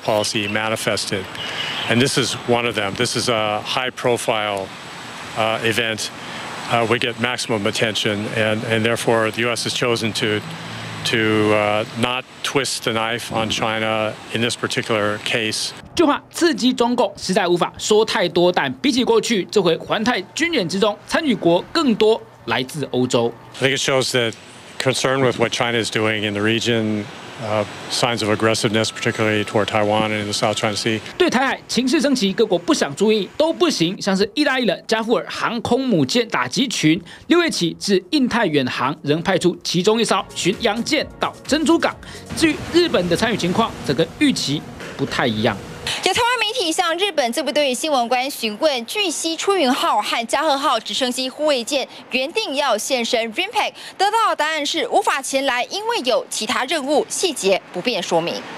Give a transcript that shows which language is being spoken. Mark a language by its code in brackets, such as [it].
[en] policy manifested, and this is one of them. This is a high-profile event. We get maximum attention, and therefore the U.S. has chosen to not twist the knife on China in this particular case. [zh] 就怕刺激中共，实在无法说太多。但比起过去，这回环太军演之中，参与国更多来自欧洲。 [en] I think it shows that concern with what China is doing in the region, signs of aggressiveness, particularly toward Taiwan and in the South China Sea. [zh] 对台海情势升级，各国不想注意都不行。像是意大利的加富尔航空母舰打击群，6月起至印太远航，仍派出其中一艘巡洋舰到珍珠港。至于日本的参与情况，则跟预期不太一样。有台湾媒体向日本自卫队新闻官询问，据悉出云号和加贺号直升机护卫舰原定要现身 RIMPAC， 得到答案是无法前来，因为有其他任务，细节不便说明。